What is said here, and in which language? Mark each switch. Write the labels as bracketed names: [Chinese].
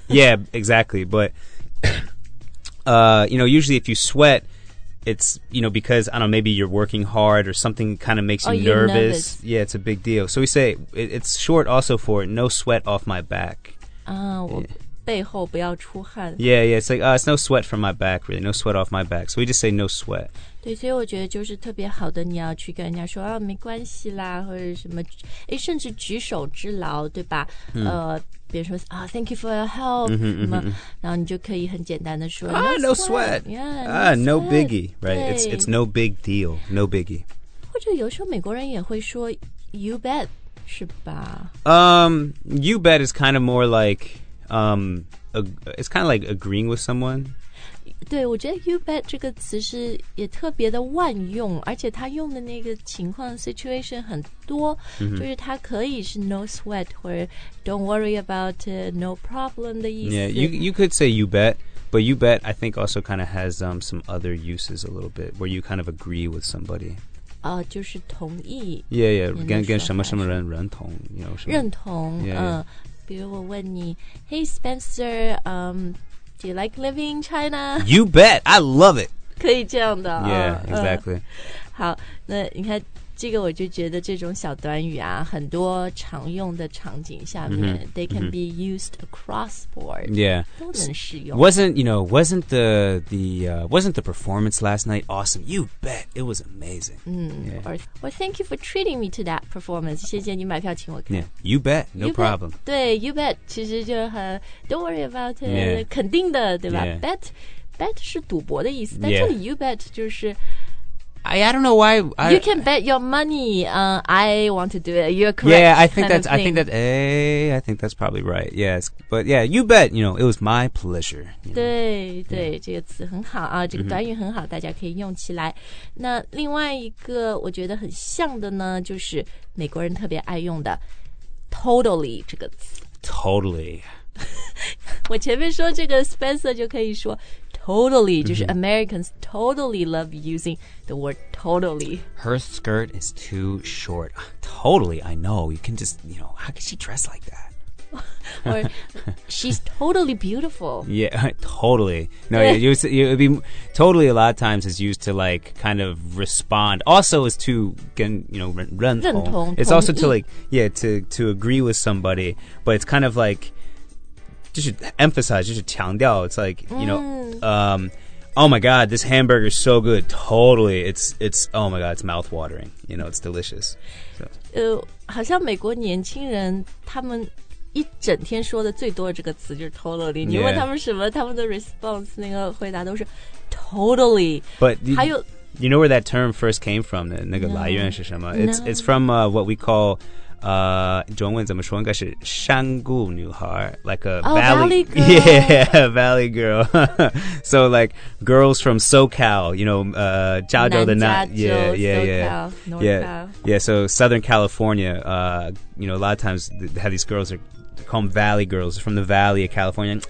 [English] Yeah, exactly, but, you know, usually if you sweat, it's, you know, because, I don't know, maybe you're working hard or something kind of makes you nervous. Yeah, it's a big deal. So we say, it's short also for no sweat off my back. Yeah. [Chinese] 背后不要出汗 [English] Yeah, yeah, it's like, it's no sweat from my back, really, no sweat off my back. So we just say no sweat. [Chinese] 对，所以我觉得就是特别好的，你要去跟人家说啊，没关系啦，或者什么，哎，甚至举手之劳，对吧？比如说啊 ， [English] Thank you for your help， [Chinese] 然后你就可以很简单的说 [English] ，No sweat， yeah， no biggie， right？ It's no big deal， no biggie。或者有时候美国人也会说 ，You bet， 是吧？You bet is kind of more like it's kind of like agreeing with someone。 [Chinese] 对，我觉得 you bet 这个词是也特别的万用，而且它用的那个情况 situation 很多，就是它可以是 no sweat 或者 [English] don't worry about it, no problem [Chinese] 的意思。 [English] Yeah, you could say you bet, but you bet I think also kind of has some other uses a little bit where you kind of agree with somebody. [Chinese] 就是同意。 [English] Yeah, yeah, [Chinese] 跟什么什么人认同， [English] you know, [Chinese] 认同。 [English] Yeah. [Chinese] 比如我问你 [English] ，Hey Spencer, Do you like living in China? You bet. I love it. [Chinese] 可以这样的、哦。 [English] Yeah, exactly.、 [Chinese] 好，那你看这个我就觉得这种小短语啊很多常用的场景下面、 [English] they can be used across board. Yeah. [Chinese] 都能适用。 [English] Wasn't the performance last night awesome? You bet. It was amazing. Or thank you for treating me to that performance. [Chinese] 谢谢你买票请我看。 [English] Yeah, you bet. No you problem. Bet, 对 ,you bet. [Chinese] 其实就很 [English] don't worry about it.、 Yeah. [Chinese] 肯定的对吧、 [English] yeah. [Chinese] Bet 是赌博的意思。 [English] Yeah. [Chinese] 但这里 you bet 就是 [English] I don't know why. You can bet your money. I want to do it. You're correct. Yeah, I think that's probably right. Yes. But yeah, you bet. You know, it was my pleasure. [Chinese] 对对、yeah. 这个词很好啊，这个短语很好、大家可以用起来。那另外一个我觉得很像的呢，就是美国人特别爱用的 totally 这个词。 [English] Totally. [Chinese] 我前面说这个 Spencer 就可以说 [English] totally,、mm-hmm. [Chinese] 就是 [English] Americans totally love using the word totally. Her skirt is too short. Totally, I know. You can just, you know, how could she dress like that? Or, she's totally beautiful. Yeah, totally. No, you would be totally a lot of times is used to like kind of respond. Also, is to, you know, [Chinese] 认同 [English] It's also to like, yeah, to agree with somebody. But it's kind of like, just emphasize, just 强调 It's like, you know, oh my God, this hamburger is so good. Totally. It's, oh my God, it's mouthwatering. You know, it's delicious. So. [Chinese] 好像美国年轻人他们一整天说的最多的这个词就是 totally、 [English] yeah. [Chinese] 你问他们什么他们的 response 那个回答都是 totally [English] but you, [Chinese] 还有 [English] you know where that term first came from [Chinese] 的那个来源是什么 [English] no, it's from、what we call、 [Chinese] 中文怎么说应该是山谷女孩 [English] like a valley girl yeah valley girl so like girls from SoCal you know [Chinese] 加州的那 [English] yeah so Southern California、you know a lot of times how these girls areCall them Valley Girls from the Valley of California.